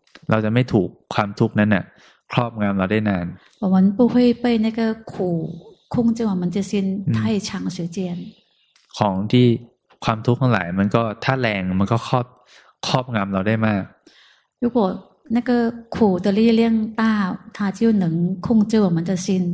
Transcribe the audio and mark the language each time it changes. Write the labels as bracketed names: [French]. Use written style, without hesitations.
[Thai] เราจะไม่ถูกความทุกข์นั้นน่ะครอบงำเราได้นาน [Chinese] 我们不会被那个苦控制我们的心太长时间 [Thai] ของที่ความทุกข์ทั้งหลายมันก็ถ้าแรงมันก็ครอบงำเราได้มาก [Chinese] 如果那个苦的力量大它就能控制我们的心